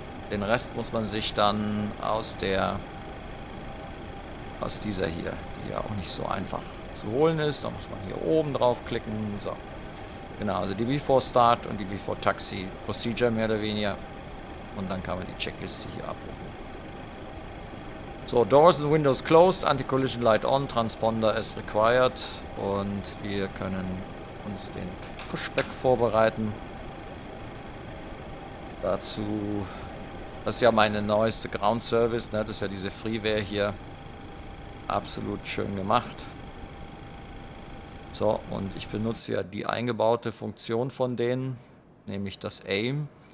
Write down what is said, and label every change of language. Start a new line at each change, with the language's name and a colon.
German: Den Rest muss man sich dann aus dieser hier, die ja auch nicht so einfach zu holen ist. Da muss man hier oben drauf klicken. So. Genau, also die Before Start und die Before Taxi Procedure mehr oder weniger. Und dann kann man die Checkliste hier abrufen.
English: So, Doors and Windows closed, Anti-Collision Light on, Transponder is required.
German: Und wir können uns den Pushback vorbereiten. Dazu, das ist ja meine neueste Ground Service, ne? Das ist ja diese Freeware hier. Absolut schön gemacht. So, und ich benutze ja die eingebaute Funktion von denen, nämlich das Aim.